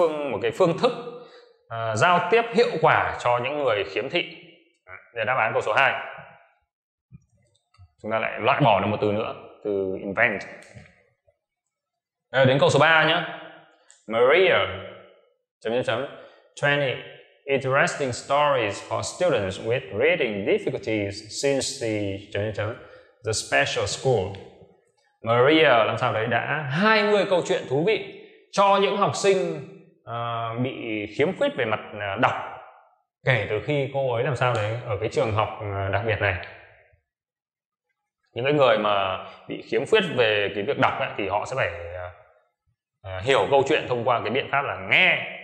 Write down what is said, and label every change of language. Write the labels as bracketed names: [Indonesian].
[Vietnamese] Một cái phương thức giao tiếp hiệu quả cho những người khiếm thị. Để đáp án câu số 2, chúng ta lại loại bỏ được một từ nữa, từ invent. Đến câu số 3 nhé. [English] Maria .20 interesting stories for students with reading difficulties since the special school. [Vietnamese] Maria làm sao đấy, đã 20 câu chuyện thú vị cho những học sinh bị khiếm khuyết về mặt đọc kể từ khi cô ấy làm sao đấy ở cái trường học đặc biệt này. Những cái người mà bị khiếm khuyết về cái việc đọc ấy, thì họ sẽ phải hiểu câu chuyện thông qua cái biện pháp là nghe.